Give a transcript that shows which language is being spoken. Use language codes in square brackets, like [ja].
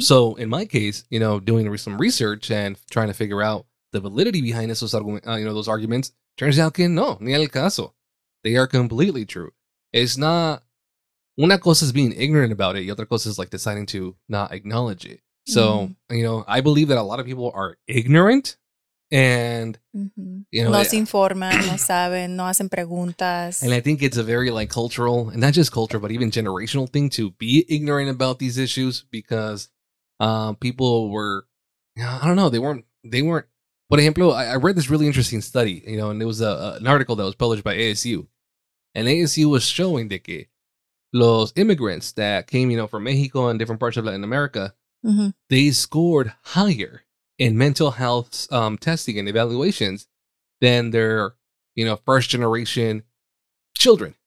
[en] So in my case, you know, doing some research and trying to figure out the validity behind [es] esos [en] those arguments, turns out [es] que no, ni el caso. [en] They are completely true. It's not... [es] Una cosa [en] is being ignorant about it, [es] y otra cosa [en] is like deciding to not acknowledge it. So, you know, I believe that a lot of people are ignorant and, you know. [es] No se informan, no saben, no hacen preguntas. [en] And I think it's a very like cultural, and not just cultural, but even generational thing to be ignorant about these issues because people were, I don't know, they weren't. [es] Por ejemplo, [en] I read this really interesting study, you know, and it was an article that was published by ASU. And ASU was showing [es] de que los [en] immigrants that came, you know, from Mexico and different parts of Latin America, they scored higher in mental health testing and evaluations than their, you know, first generation children.